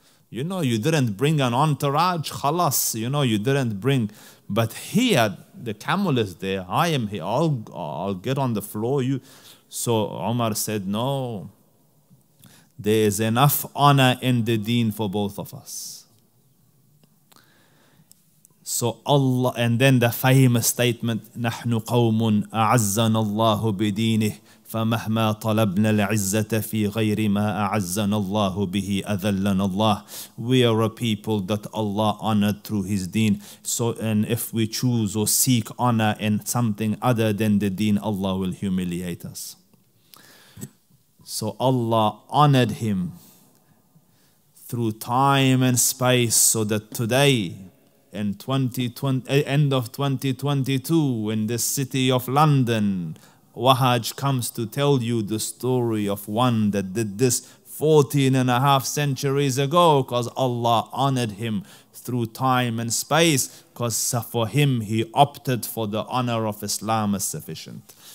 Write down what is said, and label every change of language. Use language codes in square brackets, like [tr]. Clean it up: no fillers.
[en] You know, you didn't bring an entourage, khalas, you know, you didn't bring. But here, the camel is there, I am here, I'll get on the floor. So Umar said, no, there is enough honor in the deen for both of us. So Allah, and then the famous statement, [ar] نَحْنُ قَوْمٌ أَعَزَّنَ اللَّهُ بِدِينِهِ فَمَهْمَا طَلَبْنَا الْعِزَّةَ فِي غَيْرِ مَا أَعَزَّنَ اللَّهُ بِهِ أَذَلَّنَ اللَّهُ. [en] We are a people that Allah honored through His deen. So, and if we choose or seek honor in something other than the deen, Allah will humiliate us. So Allah honored him through time and space so that today, end of 2022, in the city of London, Wahaj comes to tell you the story of one that did this 14 and a half centuries ago, because Allah honored him through time and space, because for him he opted for the honor of Islam as sufficient.